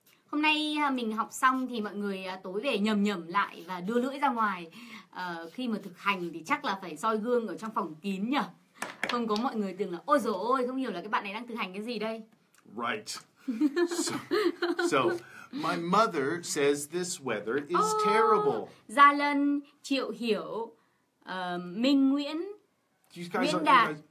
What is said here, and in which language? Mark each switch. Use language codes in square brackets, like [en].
[vi] Hôm nay mình học xong thì mọi người tối về nhầm nhầm lại và đưa lưỡi ra ngoài. Khi mà thực hành thì chắc là phải soi gương ở trong phòng kín nhỉ? Không có mọi người tưởng là ôi dồi ôi, không hiểu là cái bạn này đang thực hành cái gì đây. [en] Right. So, my mother says this weather is terrible. [vi] Gia Lân, Triệu Hiểu, Minh Nguyễn, Nguyễn Đạt.